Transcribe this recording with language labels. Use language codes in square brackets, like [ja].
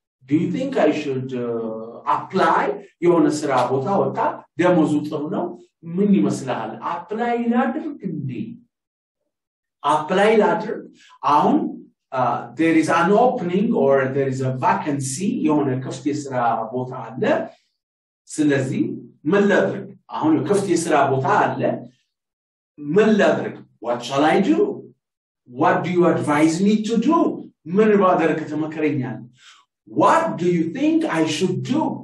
[en] Do you think I should apply? [am] የሆነ ስራ ቦታ ወጣ ደሞዙ ጥሩ ነው ምን ይመስላል? Apply ላድርግ እንዴ? Apply ላድርግ? [en] አሁን there is an opening or there is a vacancy [am] የሆነ ክፍት ስራ ቦታ አለ. ስለዚህ ምን ላድርግ? አሁን ከፍት የሥራ ቦታ አለ ምን ላድርግ [en] what shall i do what do you advise me to do [am] ምን ባደርግ ተመከረኛል [en] what do you think i should do